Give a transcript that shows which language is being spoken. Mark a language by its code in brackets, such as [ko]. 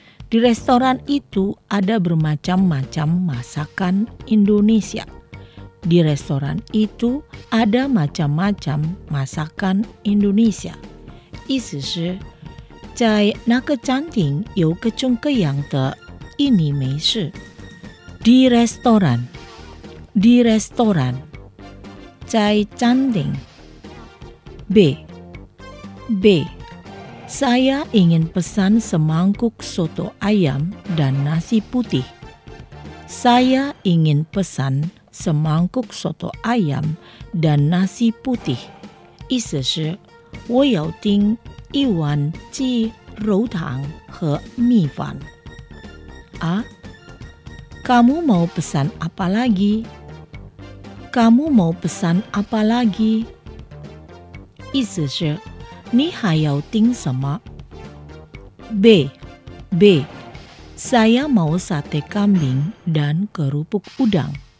[id] Di restoran itu ada bermacam-macam masakan Indonesia. Di restoran itu ada macam-macam masakan Indonesia. [zh] 意思是在那个餐厅有各种各样的印尼美食。 [id] Di restoran [zh] 在餐厅。 [id] B Saya ingin pesan semangkuk soto ayam dan nasi putih. Saya ingin pesan semangkuk soto ayam dan nasi putih. [zh] 意思是我要订一碗鸡肉汤和米饭。 [id] 啊, kamu mau pesan apa lagi? Kamu mau pesan apa lagi? [zh] 意思是你还要订什么？ [id] B, saya mau sate kambing dan kerupuk udang.